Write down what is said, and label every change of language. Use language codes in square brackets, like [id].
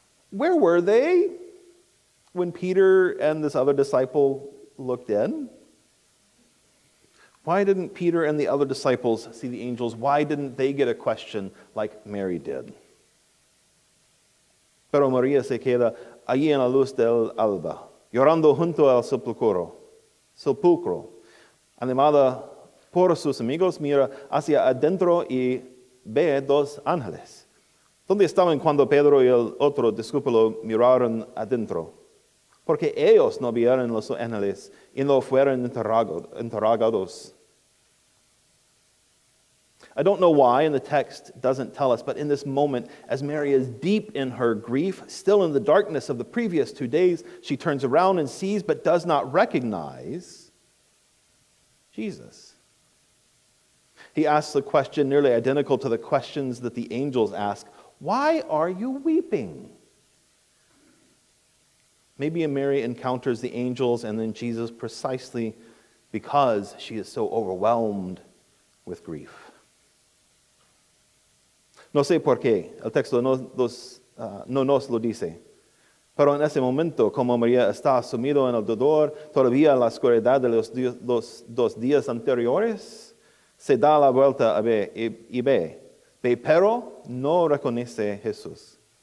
[en] Where were they when Peter and this other disciple looked in? Why didn't Peter and the other disciples see the angels? Why didn't they get a question like Mary did? [es] Pero María se queda allí en la luz del alba, llorando junto al sepulcro. Sepulcro, animada por sus amigos, mira hacia adentro y ve dos ángeles. ¿Dónde estaban cuando Pedro y el otro discípulo miraron adentro? Porque ellos no vieron los ángeles y no fueron interrogados. [en] I don't know why, and the text doesn't tell us, but in this moment, as Mary is deep in her grief, still in the darkness of the previous 2 days, she turns around and sees but does not recognize Jesus. He asks a question nearly identical to the questions that the angels ask. Why are you weeping? Maybe Mary encounters the angels and then Jesus precisely because she is so overwhelmed with grief. [es] No sé por qué, el texto no nos lo dice. Pero en ese momento, como María está sumido en el dolor, todavía en la oscuridad de los 2 días anteriores, se da la vuelta a ver y ve, pero no reconoce a Jesús.